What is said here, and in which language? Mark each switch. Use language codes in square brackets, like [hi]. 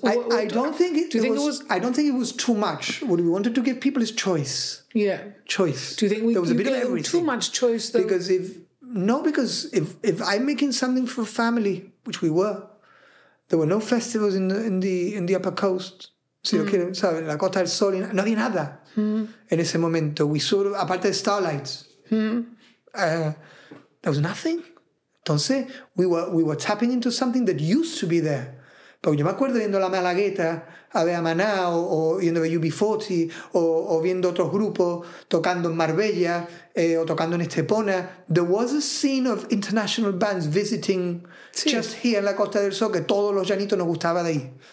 [en] I don't think it was too much. What we wanted to give people is choice. Yeah. Choice. Do you think we gave too much choice, though? Because if I'm making something for family, which we were, There were no festivals in the upper coast. [es] Sí, mm. Okay, ¿sabes? La Costa del Sol, no había nada en ese momento. [en] We saw, [es] aparte de [en] Starlights, there was nothing. [es] Entonces, [en] we were tapping into something that used to be there. [es] Porque yo me acuerdo viendo La Malagueta, a ver a Maná, o viendo a UB40, o viendo otros grupos tocando en Marbella, o tocando en Estepona. [en] There was a scene of international bands visiting sí. just here in [es] La Costa del Sol, que todos los llanitos nos gustaba de ahí.